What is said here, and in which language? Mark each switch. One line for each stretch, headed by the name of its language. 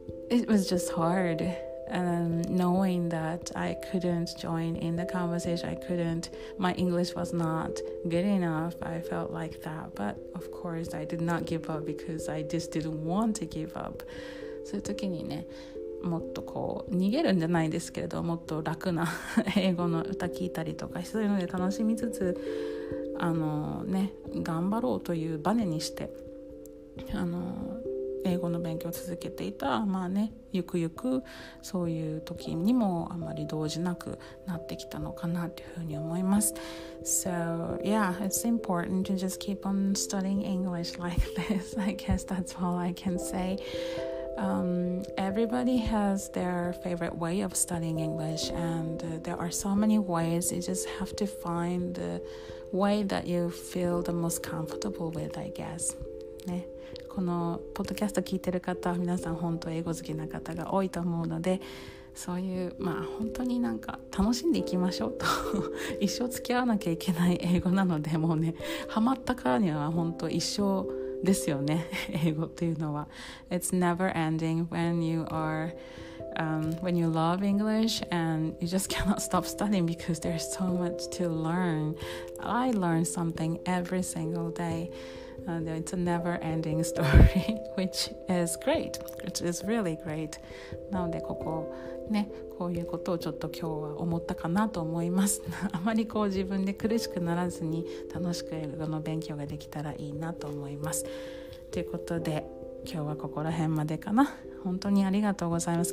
English: It was just hard, knowing that I couldn't join in the conversation, I couldn't, my English was not good enough, I felt like that, but of course I did not give up because I just didn't want to give up.
Japanese: そういう時にね、もっとこう逃げるんじゃないですけれど、もっと楽な英語の歌聞いたりとか、そういうので楽しみつつ、あのね、頑張ろうというバネにして、あの英語の勉強を続けていた、まあね、ゆくゆくそういう時にもあまり動じなくなってきたのかなというふうに思います。
English: So yeah, it's important to just keep on studying English like this. I guess that's all I can say. Everybody has their favorite way of studying English, and there are so many ways. You just have to find the way that you feel the most comfortable with, I guess.
Japanese: ね、このポッドキャスト聞いてる方は皆さん本当英語好きな方が多いと思うので、そういう、まあ、本当になんか楽しんでいきましょうと一生付き合わなきゃいけない英語なので、もうね、ハマったからには本当一生ですよね、英語というのは。
English: It's never ending when you are, when you love English and you just cannot stop studying because there's so much to learn. I learn something every single day. And it's a never ending story, which is great, which is really great.
Japanese: なのでここね、こういうことをちょっと今日は思ったかなと思います。あまりこう自分で苦しくならずに楽しく英語の勉強ができたらいいなと思います。ということで今日はここら辺までかな。本当にありがとうございます。